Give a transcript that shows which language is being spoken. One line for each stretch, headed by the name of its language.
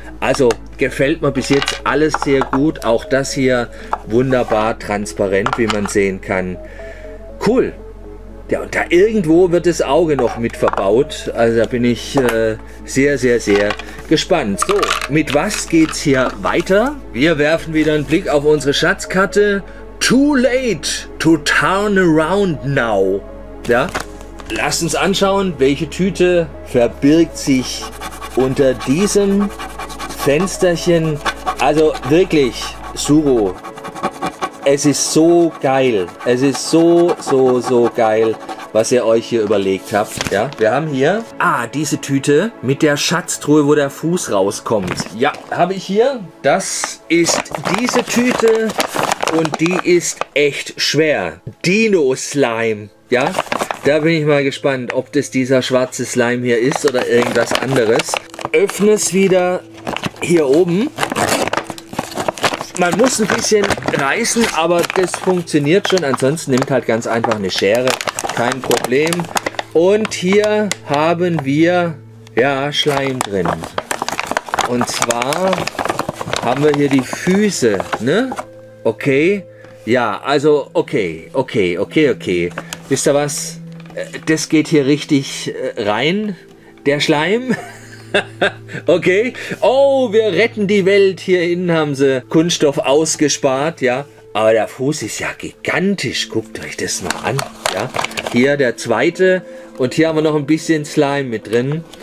German: Also gefällt mir bis jetzt alles sehr gut. Auch das hier wunderbar transparent, wie man sehen kann. Cool. Ja, und da irgendwo wird das Auge noch mit verbaut. Also da bin ich sehr, sehr, sehr gespannt. So, mit was geht's hier weiter? Wir werfen wieder einen Blick auf unsere Schatzkarte.
English: Too late to turn around now.
German: Ja. Lasst uns anschauen, welche Tüte verbirgt sich unter diesem Fensterchen. Also wirklich, Suro, es ist so geil. Es ist so, so, so geil, was ihr euch hier überlegt habt. Ja, wir haben hier diese Tüte mit der Schatztruhe, wo der Fuß rauskommt. Ja, habe ich hier. Das ist diese Tüte und die ist echt schwer. Dino Slime, ja. Da bin ich mal gespannt, ob das dieser schwarze Slime hier ist oder irgendwas anderes. Öffne es wieder hier oben. Man muss ein bisschen reißen, aber das funktioniert schon. Ansonsten nimmt halt ganz einfach eine Schere. Kein Problem. Und hier haben wir ja Schleim drin. Und zwar haben wir hier die Füße, ne? Okay. Ja, also okay, okay, okay, okay. Wisst ihr was? Das geht hier richtig rein, der Schleim. Okay. Oh, wir retten die Welt. Hier innen haben sie Kunststoff ausgespart, ja. Aber der Fuß ist ja gigantisch. Guckt euch das mal an, ja. Hier der zweite. Und hier haben wir noch ein bisschen Slime mit drin.